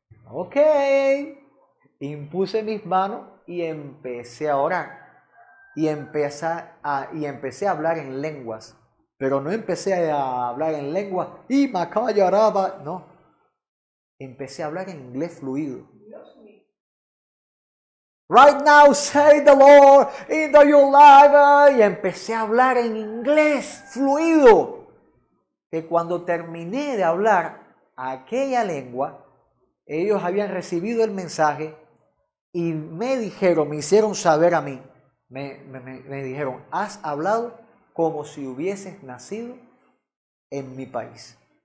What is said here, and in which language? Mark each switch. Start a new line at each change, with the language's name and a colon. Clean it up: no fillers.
Spanish: Ok, impuse mis manos y empecé a orar. Y empecé a hablar en lenguas Pero no empecé a hablar en lengua y macaba, no. Empecé a hablar en inglés fluido.
English: Right now, say the Lord into your life.
Spanish: Y empecé a hablar en inglés fluido. Que cuando terminé de hablar aquella lengua, ellos habían recibido el mensaje y me dijeron, me hicieron saber a mí, me dijeron, has hablado como si hubieses nacido en mi país.